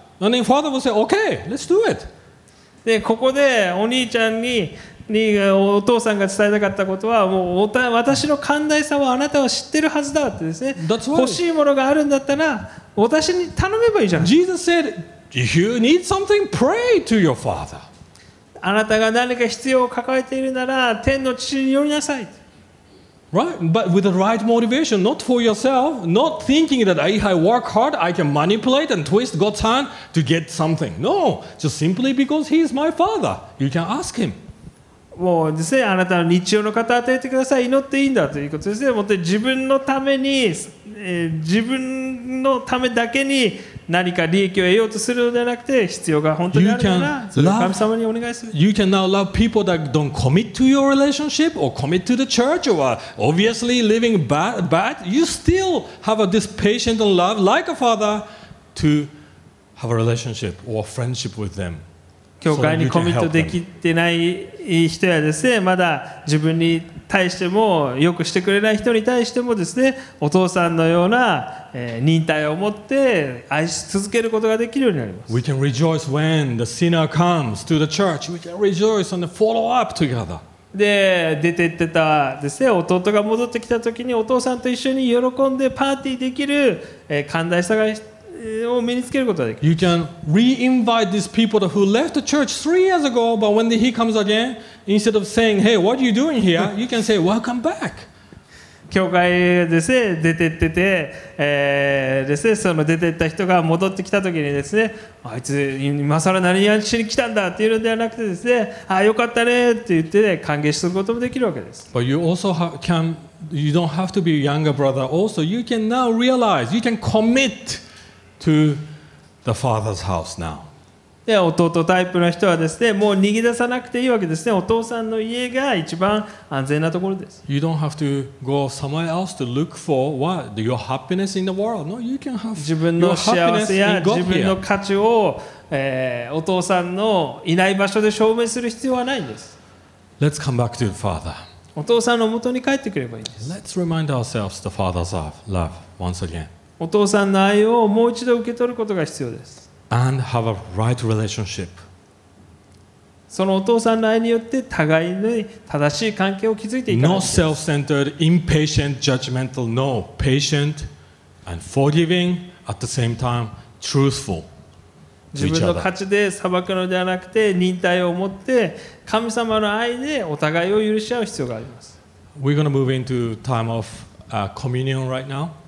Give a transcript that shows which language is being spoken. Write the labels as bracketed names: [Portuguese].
[English] And then father would say, okay, let's do it. [Japanese] でここでお兄ちゃん にお父さんが伝えたかったことはもう私の寛大さをあなたは知ってるはずだってですね。 [English] That's why. [Japanese] 欲しいものがあるんだったら私に頼めばいいじゃん。 [English] Jesus said, if you need something, pray to your father. [Japanese] あなたが何か必要を抱えているなら天の父に寄りなさい。 [English] Right, but with the right motivation, not for yourself, not thinking that if I work hard, I can manipulate and twist God's hand to get something. No, just simply because he is my father, you can ask him. [Japanese] もうですね、あなたの日常の方を与えてください、祈っていいんだということですね。もっと自分のために、自分のためだけに何か利益を得ようとするのではなくて、必要が本当にあるなら、それを神様にお願いする。 [English] You can now love people that don't commit to your relationship or commit to the church or are obviously living bad. You still have this patient and love like a father to have a relationship or friendship with them. [Japanese] 教会にコミットできてない人やですね、まだ自分に対してもよくしてくれない人に対してもですね、お父さんのような忍耐を持って愛し続けることができるようになります。 [English] We can rejoice when the sinner comes to the church. We can rejoice and follow up together. [Japanese] で出て行ってたですね、弟が戻ってきた時にお父さんと一緒に喜んでパーティーできる寛大さがを身につけることができる。 [English] You can re-invite these people who left the church 3 years ago, but when he comes again, instead of saying, "Hey, what are you doing here?" you can say, "Welcome back." [Japanese] 教会ですね、出てってて、ですね、その出てった人が戻ってきた時にですね、あいつ今更何やしに来たんだっていうのではなくてですね、あ、よかったねって言って、ね、歓迎することもできるわけです。 [English] But you also can, you don't have to be a younger brother. Also, you can now realize, you can commit. To the father's house now. [Japanese] で、弟タイプの人はですね、もう逃げ出さなくていいわけですね。お父さんの家が一番安全なところです。 [English] You don't have to go somewhere else to look for what your happiness in the world. No, you can have [Japanese] 自分の幸せや自分の価値を、お父さんのいない場所で証明する必要はないんです。 [English] Let's come back to the father. [Japanese] お父さんの元に帰ってくればいいんです。 [English] Let's remind ourselves the father's love once again. [Japanese] お父さんの愛をもう一度受け取ることが必要です。 [English] And have a right relationship. [Japanese] そのお父さんの愛によって互いに正しい関係を築いていかないんです。 [English] Not self-centered, impatient, judgmental, no. Patient and forgiving at the same time, truthful to each other. [Japanese] 自分の価値で裁くのではなくて忍耐を持って神様の愛でお互いを許し合う必要があります。 [English] We're going to move into time of communion right now.